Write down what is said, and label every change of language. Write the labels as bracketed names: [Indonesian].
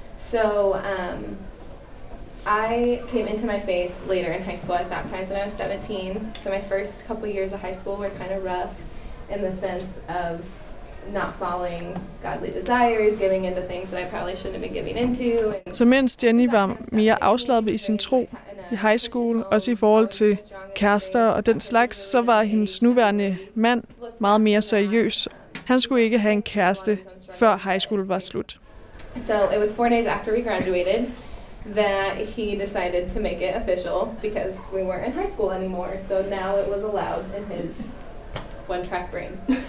[English] So I came into my faith later in high school. I was baptized when I was 17, so my first couple years of high school were kind of rough in the sense of not following godly desires, giving into things that I probably shouldn't have been giving into. [Danish] Så mens Jenny var mere afslappet i sin tro i high school, også i forhold til kærester og den slags, så var hendes nuværende mand meget mere seriøs. Han skulle ikke have en kæreste, før high school var slut. [English] So it was 4 days after we graduated that he decided to make it official because we weren't in high school anymore. So now it was allowed in his one-track brain.